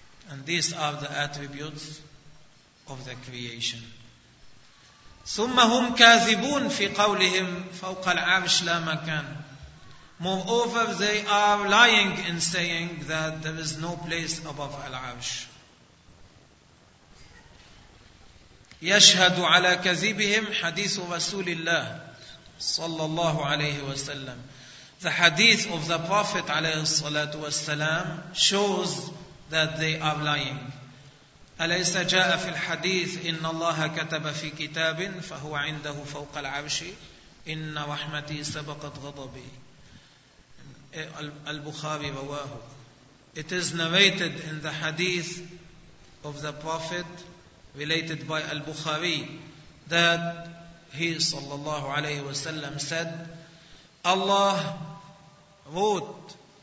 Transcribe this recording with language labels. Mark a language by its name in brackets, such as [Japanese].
[English] And these are the attributes of the creation. [Arabic] ثُمَّ هُمْ كَاذِبُونَ فِي قَوْلِهِمْ فَوْقَ الْعَرْشِ لَا مَكَانَ. [English] Moreover, they are lying in saying that there is no place above Al-Arsh. [Arabic] يشهد على كذبهم حديث رسول الله صلى الله عليه وسلم. [English] The hadith of the Prophet عليه الصلاة والسلام shows that they are lying. [Arabic] أليس جاء في الحديث إن الله كتب في كتاب فهو عنده فوق العرش إن رحمتي سبقت غضبي. البخاري رواه. [English] It is narrated in the hadith of the Prophet related by Al-Bukhari that he sallallahu alayhi wa sallam said, Allah wrote,